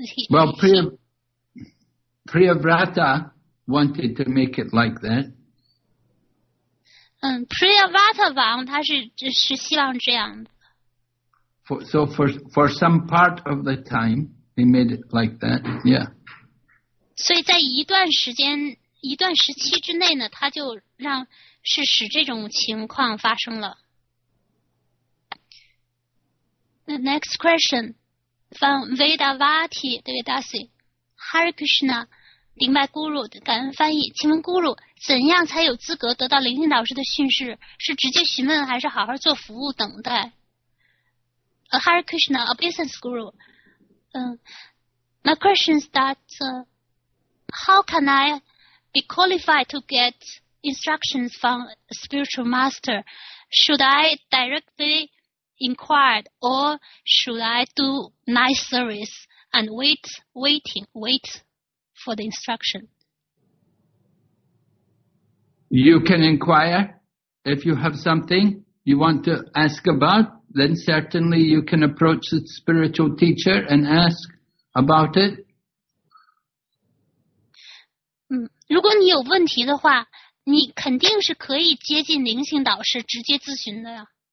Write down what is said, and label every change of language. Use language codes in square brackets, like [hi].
[en] Well, Priyavrata wanted to make it like that. [zh] Priyavrata Vang, 他是希望这样的。 [en] So for some part of the time, he made it like that, yeah. [zh] 所以在一段时间、一段时期之内呢，他就让是使这种情况发生了。 [en] The next question from Vedavati Devadasi, Hare Krishna, [zh] 明白 Guru 的感恩翻译，请问 Guru 怎样才有资格得到灵性导师的训示？是直接询问，还是好好做服务等待？ [en] Hare Krishna, a business guru. My question is that how can I be qualified to get instructions from a spiritual master? Should I directly inquire or should I do nice service and wait for the instruction? You can inquire if you have something you want to ask about. Then certainly you can approach the spiritual teacher and ask about it. [zh] 如果你有问题的话，你肯定是可以接近灵性导师直接咨询的呀。